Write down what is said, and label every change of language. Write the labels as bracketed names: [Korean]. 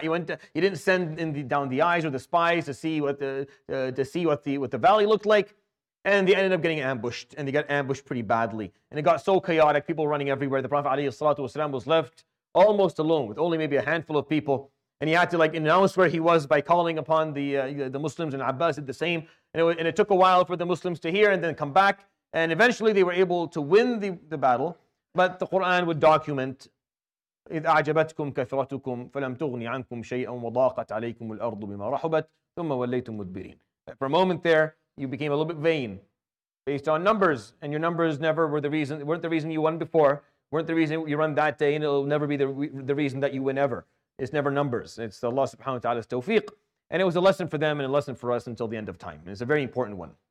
[English] He didn't send down the eyes or the spies to see what the valley looked like, and they ended up getting ambushed, and they got ambushed pretty badly. And it got so chaotic, people running everywhere. The Prophet ﷺ was left almost alone with only maybe a handful of people, and he had to like announce where he was by calling upon the Muslims. And Abbas did the same, and it took a while for the Muslims to hear and then come back. And eventually they were able to win the battle, but the Quran would document, [Arabic] إِذْ أَعْجَبَتْكُمْ كَثْرَتُكُمْ فَلَمْ تُغْنِ عَنْكُمْ شَيْئًا وَضَاقَتْ عَلَيْكُمُ الْأَرْضُ بِمَا رَحُبَتْ ثُمَّ وَلَّيْتُمْ مُدْبِرِينَ. [English] For a moment there, you became a little bit vain based on numbers, and your numbers never were the reason, weren't the reason you won before, weren't the reason you run that day, and it'll never be the reason that you win ever. It's never numbers. It's Allah subhanahu wa ta'ala's tawfiq. And it was a lesson for them and a lesson for us until the end of time. And it's a very important one.